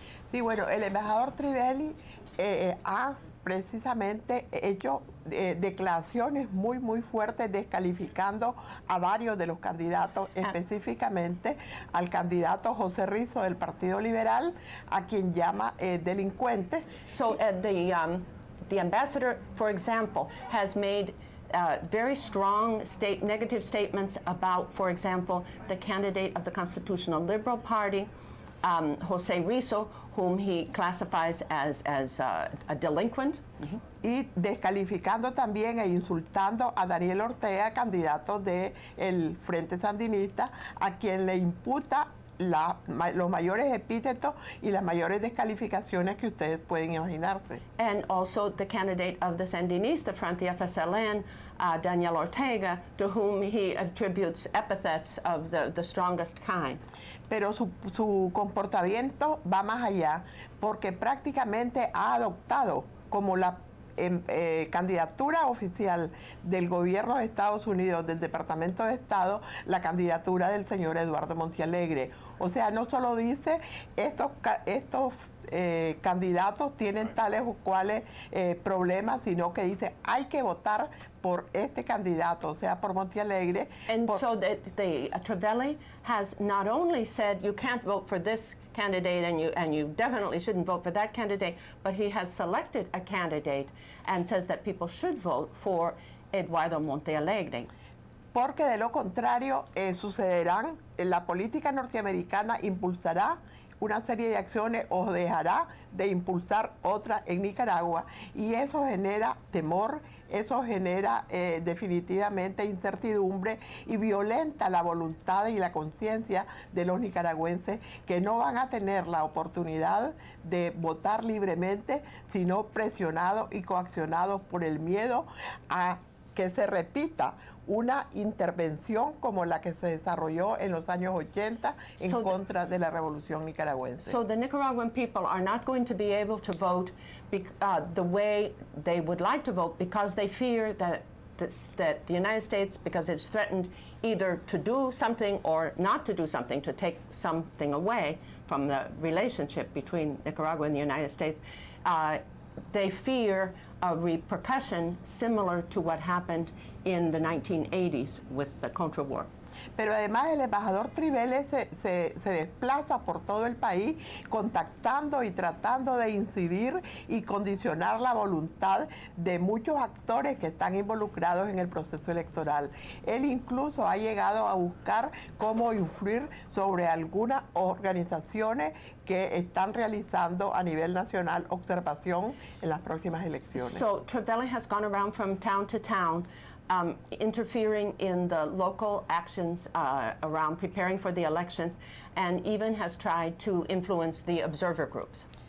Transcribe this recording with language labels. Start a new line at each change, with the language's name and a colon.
Spanish: Sí, bueno, el embajador Trivelli ha precisamente hecho declaraciones muy, muy fuertes descalificando a varios de los candidatos, específicamente al candidato José Rizzo del Partido Liberal, a quien llama delincuente.
English: So the ambassador, for example, has made very strong negative statements about, for example, the candidate of the Constitutional Liberal Party, José Rizzo, whom he classifies as a delinquent. Mm-hmm.
Spanish: Y descalificando también e insultando a Daniel Ortega, candidato del Frente Sandinista, a quien le imputa los mayores epítetos y las mayores descalificaciones que ustedes pueden imaginarse.
English: And also the candidate of the Sandinista Front, the FSLN, Daniel Ortega, to whom he attributes epithets of the strongest kind.
Spanish: Pero su comportamiento va más allá, porque prácticamente ha adoptado como la candidatura oficial del gobierno de Estados Unidos, del Departamento de Estado, la candidatura del señor Eduardo Montialegre. O sea, no solo dice estos candidatos tienen tales o cuales problemas, sino que dice hay que votar por este candidato, o sea, por Montialegre.
English: And so the Trivelli has not only said you can't vote for this candidate and you definitely shouldn't vote for that candidate, but he has selected a candidate and says that people should vote for Eduardo Montialegre.
Spanish: Porque de lo contrario sucederán, la política norteamericana impulsará una serie de acciones o dejará de impulsar otra en Nicaragua, y eso genera temor, eso genera definitivamente incertidumbre y violenta la voluntad y la conciencia de los nicaragüenses, que no van a tener la oportunidad de votar libremente, sino presionados y coaccionados por el miedo a que se repita una intervención como la que se desarrolló en los años 80 en contra de la revolución nicaragüense.
English: So the Nicaraguan people are not going to be able to vote the way they would like to vote because they fear that the United States, because it's threatened either to do something or not to do something, to take something away from the relationship between Nicaragua and the United States, they fear a repercussion similar to what happened in the 1980s with the Contra War.
Spanish: pero además el embajador Trivelle se desplaza por todo el país contactando y tratando de incidir y condicionar la voluntad de muchos actores que están involucrados en el proceso electoral. Él incluso ha llegado a buscar cómo influir sobre algunas organizaciones que están realizando a nivel nacional observación en las próximas elecciones.
English: So Trivelle has gone around from town to town, interfering in the local actions around preparing for the elections, and even has tried to influence the observer groups.